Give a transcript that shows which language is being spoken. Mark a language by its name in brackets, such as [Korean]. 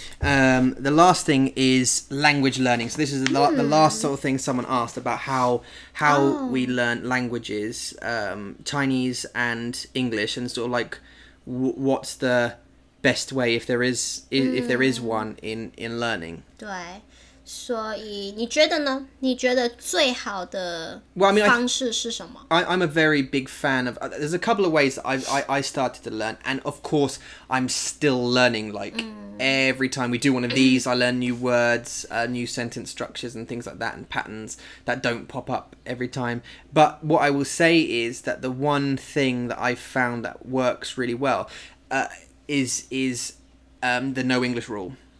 [English] The last thing is language learning. So this is the last sort of thing someone asked about how we learn languages, Chinese and English, and sort of like what's the best way if there is one in learning. [Chinese] 对。所以你觉得呢？你觉得最好的方式是什么？ [English] I'm a very big fan of... There's a couple of ways that I started to learn. And of course, I'm still learning. Like, every time we do one of these, I learn new words, new sentence structures and things like that, and patterns that don't pop up every time. But what I will say is that the one thing that I've found that works really well is the no English rule.